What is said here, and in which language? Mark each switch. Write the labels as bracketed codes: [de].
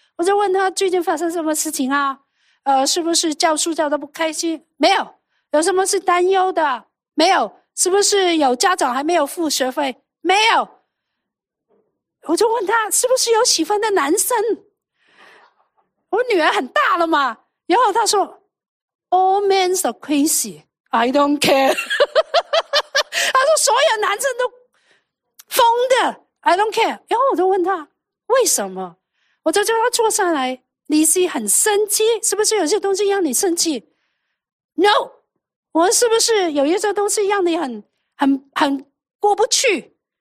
[zh] 我就问她最近发生什么事情啊，是不是教书教得不开心？没有。有什么是担忧的？没有。是不是有家长还没有付学费？没有。我就问她，是不是有喜欢的男生？我女儿很大了嘛。然后她说， [en] All men are crazy, I don't care. [zh] 他说所有男生都疯的， [en] I don't care。 [zh] 然后我就问他为什么，我就叫他坐下来，你是很生气，是不是有些东西让你生气？ [en] No。 [zh] 我是不是有一些东西让你很过不去？